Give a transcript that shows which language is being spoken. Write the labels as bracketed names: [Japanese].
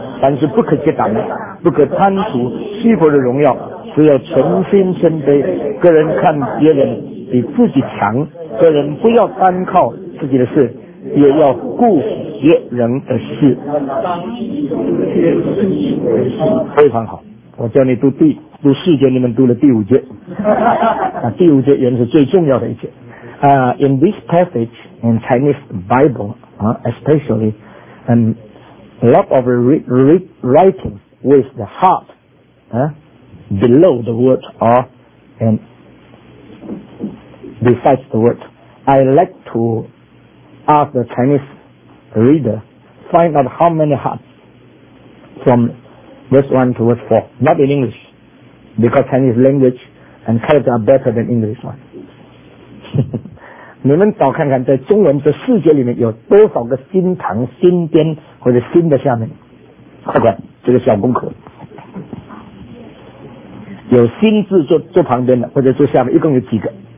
[Chinese] 但是不可结党，不可贪图虚浮的荣耀，只要诚心谦卑，个人看别人比自己强，个人不要单靠自己的事，也要顾别人的事。非常好，我叫你读读四节，你们读了第五节。第五节原来是最重要的一节。 [English] In this passage in Chinese Bible, especially a lot of writing with the heart below the word or and besides the word, I like to ask the Chinese reader find out how many hearts from verse 1 to verse 4, not in English, because Chinese language and character are better than English one. [Chinese] 你们早看看在中文这世界里面有多少个心堂、心边或者心的下面，快快，这个小功课，有心字坐旁边的或者坐下面，一共有几个？